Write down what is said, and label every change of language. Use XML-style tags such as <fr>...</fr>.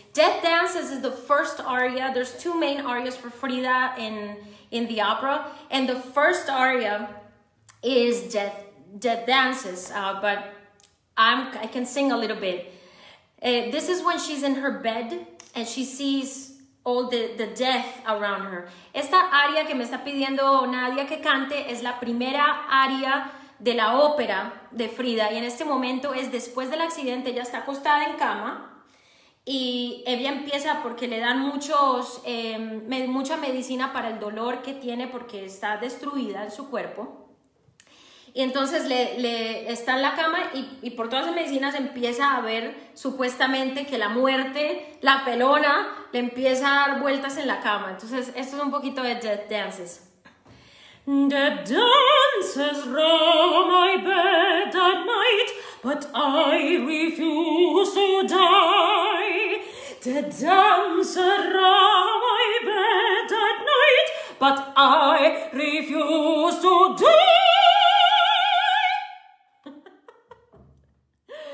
<en>Death Dances is the first aria. There's two main arias for Frida in the opera. And the first aria is Death Dances. But I can sing a little bit. This is when she's in her bed and she sees all the death around her.</en> <es>Esta aria que me está pidiendo Nadia que cante es la primera aria de la ópera de Frida, y en este momento es después del accidente. Ella está acostada en cama y ella empieza porque le dan mucha medicina para el dolor que tiene porque está destruida en su cuerpo, y entonces le está en la cama y por todas las medicinas empieza a ver supuestamente que la muerte, la pelona, le empieza a dar vueltas en la cama. Entonces esto es un poquito de Death Dances.</es> <en>The dancers round my bed at night, but I refuse to die. The dancers round my bed at night, but I refuse to die.</en>